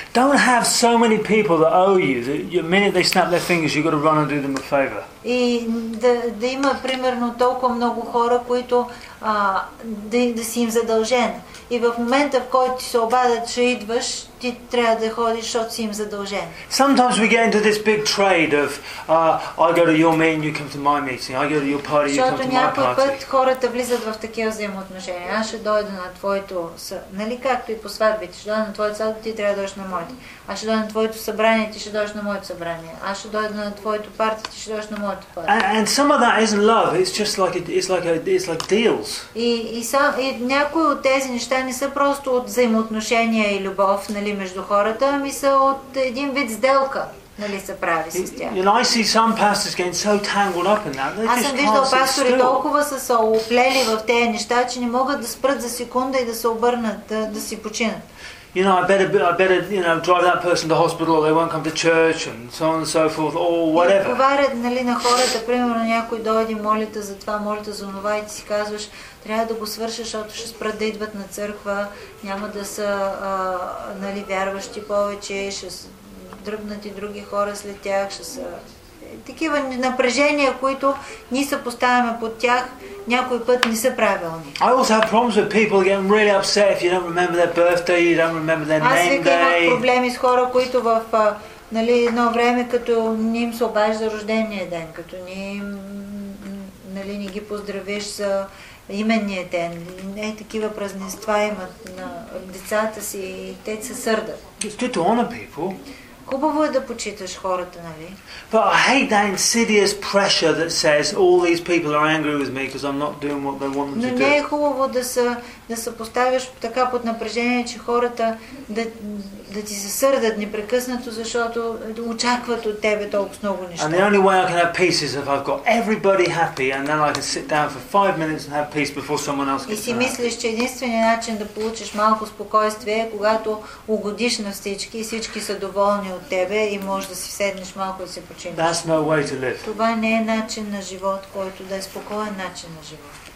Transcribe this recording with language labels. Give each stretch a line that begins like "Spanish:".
English: Don't have so many people that owe you that the minute they snap their fingers you got to run and do them a favor.
Bulgarian: И да има примерно толкова много хора, които да си им задължен. И в момента, в който се обадят, че идваш, ти трябва да ходиш, защото си им задължен.
English: Sometimes we get into this big trade of I go to your meeting, you come to my meeting. I go to your party, you come to my party.
Bulgarian: Защото някой път хората влизат в такива взаимоотношения. Аз ще дойда на твоето, нали, както и по сватбите, ще дойда на твоето сватбите, ти трябва да дойдеш на моето. Аз ще дойда на твоето събрание, ти ще дойдеш на моето събрание. Аз ще дойда на твоето парти, ти ще дойдеш на моето парти.
English: And some of that isn't love. It's just like it's like deals.
Bulgarian: И някои от тези неща не са просто от взаимоотношения и любов, нали, между хората, ами са от един вид сделка, нали, се прави с тях.
English: You know, I see some pastors getting so tangled up in that.
Bulgarian: Аз съм виждал пастори толкова са се оплели в тези неща, че не могат да спрат за секунда и да се обърнат, да си починат.
English: You know, I better, you know, drive that person to hospital. They won't come to church, and so on and so forth, or whatever.
Bulgarian: Говорят, нали, на хората, примерно, някой дойде молите за това, молите за онова, и ти си казваш, трябва да го свършиш, защото ще спрат да идват на църква, няма да са, нали, вярващи повече, ще дръпнат и други хора след тях, ще са такива напрежения, които ние се поставяме под тях, някой път не са правилни.
English: I also have problems with people getting really upset if you don't remember their birthday, you don't remember their name day.
Bulgarian: Аз вика имам проблеми с хора, които в, нали, едно време, като не им се обажда рождения ден, като не им, нали, не ги поздравиш за именния ден. Не, такива празненства имат на децата си и те се сърдат.
English: It's good to honor people.
Bulgarian: Хубаво е да почиташ хората, нали?
English: But I hate that insidious pressure that says all these people are angry with me because I'm not doing what they want me to do.
Bulgarian: Но не е хубаво да се поставяш така под напрежение, че хората да ти се сърдат непрекъснато, защото очакват от тебе толкова много неща.
English: And the only way I can have peace is if I've got everybody happy and then I can sit down for 5 minutes and have peace before someone else gets mad.
Bulgarian: И си мислиш, че единственият начин да получиш малко спокойствие е когато угодиш на всички и всички са доволни от тебе и можеш да си седнеш малко да се починеш.
English: That's no way to live.
Bulgarian: Това не е начин на живот, който да е спокоен начин на живот.